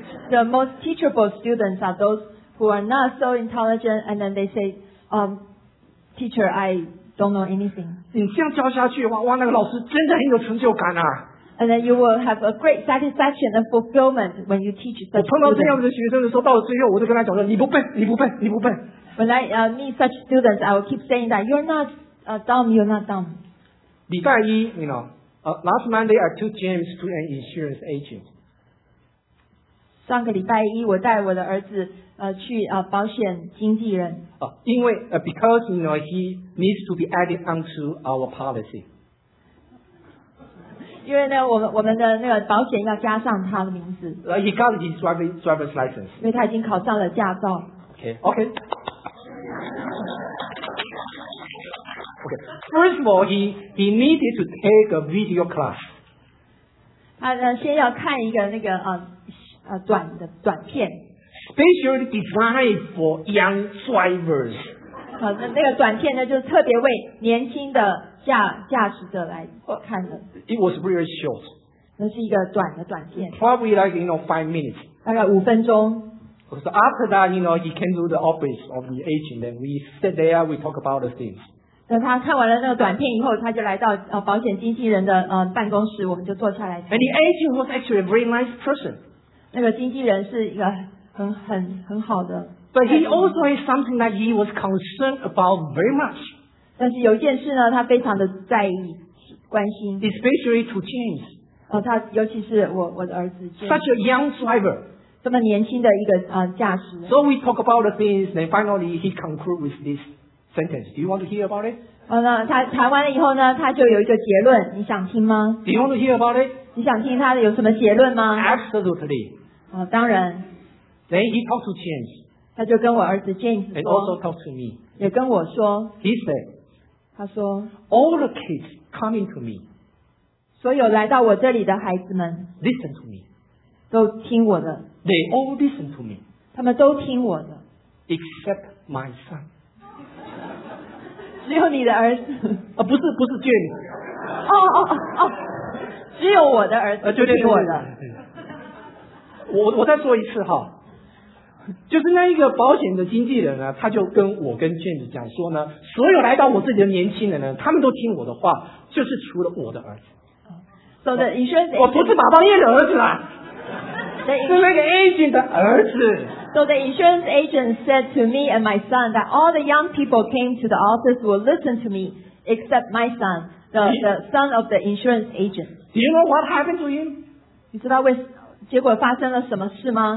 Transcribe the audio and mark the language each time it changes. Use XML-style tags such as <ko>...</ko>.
<en>The most teachable students are those who are not so intelligent, and then they say, "Teacher, I don't know anything."</en> <zh>你这样教下去，哇，那个老师真的很有成就感啊</zh> <en>！And then you will have a great satisfaction and fulfillment when you teach such.</en> <zh>我碰到这样的学生的时候，到了最后，我就跟他讲说：“你不笨，你不笨，你不笨。</zh> <en>”When I meet such students, I will keep saying that you're not dumb, you're not dumb.</en> <zh>礼拜一</zh> <en>，you know, last Monday I took James to an insurance agent.</en> <zh>上个礼拜一，我带我的儿子去保险经纪人。因为</zh> <en>because you know he needs to be added onto our policy.</en> <zh>因为呢，我们的那个保险要加上他的名字。</zh> <en>He got his driver's license.</en> <zh>因为他已经考上了驾照。</zh> <en>Okay. Okay. First of all, he needed to take a video class.</en> <zh>他先要看一个那个短的短片</zh> <en>，specially designed for young drivers。</en> <zh>好的，那个短片呢，就是特别为年轻的驾驶者来看的。</zh> <en>It was really short。</en> <zh>那是一个短的短片。</zh> <en>Probably like you know 5 minutes。</en> <zh>大概五分钟。</zh> <en>So after that, you know, he came to the office of the agent, and we sit there, we talk about the things。</en> <zh>等他看完了那个短片以后，他就来到保险经纪人的办公室，我们就坐下来。</zh> <en>And the agent was actually a very nice person。</en> <zh>那个经纪人是一个很好的。</zh> <en>But he also has something that he was concerned about very much.</en> <zh>但是有一件事呢，他非常的在意关心。</zh> <en>Especially to James.</en> <zh>他尤其是我的儿子。</zh> <en>Such a young driver.</en> <zh>这么年轻的一个驾驶。</zh> <en>So we talk about the things, then finally he concludes with this sentence. Do you want to hear about it?</en> <zh>那他谈完了以后呢，他就有一个结论，你想听吗</zh> <en>？Do you want to hear about it?</en> <zh>你想听他的有什么结论吗</zh> <en>？Absolutely.</en> <zh>当然。</zh> <en>Then he talked to James.</en> <zh>他就跟我儿子 James 说。</zh> <en>And also talked to me.</en> <zh>也跟我说。</zh> <en>He said.</en> <zh>他说。</zh> <en>All the kids coming to me.</en> <zh>所有来到我这里的孩子们。</zh> <en>Listen to me.</en> <zh>都听我的。</zh> <en>They all listen to me.</en> <zh>他们都听我的。</zh> <en>Except my son.</en> <zh>只有你的儿子。不是不是 James. 只有我的儿子听我的。我再说一次哈，就是那一个保险的经纪人呢，他就跟我跟 James 讲说呢，所有来到我这里的年轻人呢，他们都听我的话，就是除了我的儿子。</zh> <en>So the insurance agent,</en> <zh>我不是马邦彦的儿子啊。</zh> <en>The So the insurance agent said to me and my son that all the young people came to the office will listen to me, except my son, the son of the insurance agent. Do you know what happened to him?</en> <zh>你知道结果发生了什么事吗?</zh>